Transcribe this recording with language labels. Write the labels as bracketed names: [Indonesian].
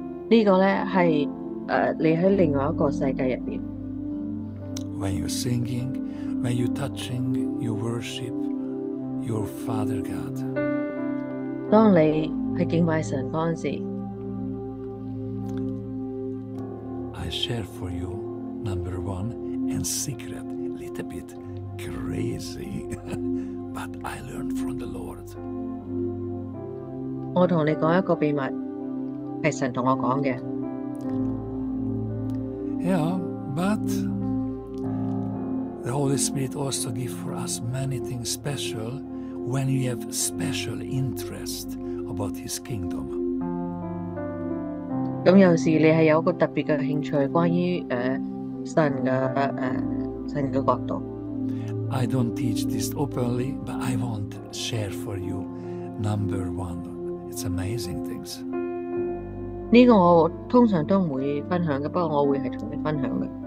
[Chinese] 这个呢是你在另外一个世界里面。 [English] When you're singing, when you're touching, you worship your Father God. [Chinese] 当你是敬拜神的时候。 [English] I share for you number one and secret, a little bit crazy. But I learned from the Lord. [Chinese] 我同你讲一个秘密，系神同我讲嘅。 [English] Yeah, but the Holy Spirit also gives for us many things special when you have special interest about his kingdom. [Chinese] 咁有時你係有一個特別嘅興趣，關於神嘅神嘅國度。 [English] I don't teach this openly, but I won't share for you. Number one, it's amazing things. [Chinese] 呢個我通常都唔會分享嘅，不過我會係同你分享嘅。